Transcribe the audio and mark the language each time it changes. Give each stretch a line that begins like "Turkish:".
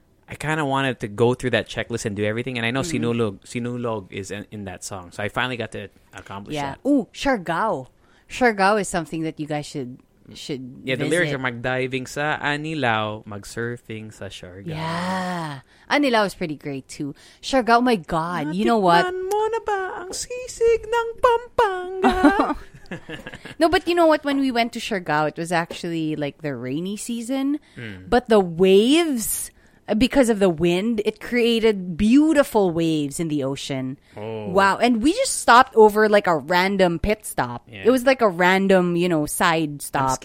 English: I kind of wanted to go through that checklist and do everything. And I know Sinulog is in that song. So I finally got to accomplish that. Ooh, Siargao. Siargao is something that you guys should visit. Yeah, the lyrics are
Filipino: magdiving sa anilaw, magsurfing sa Siargao.
English: Yeah. Anilaw is pretty great too. Siargao, my God. You know what?
Filipino: Natignan mo na ba ang sisig ng Pampanga?
English: No, but you know what? When we went to Siargao, it was actually like the rainy season. But the waves... Because of the wind, it created beautiful waves in the ocean. Oh. Wow. And we just stopped over like a random pit stop. Yeah. It was like a random, side stop.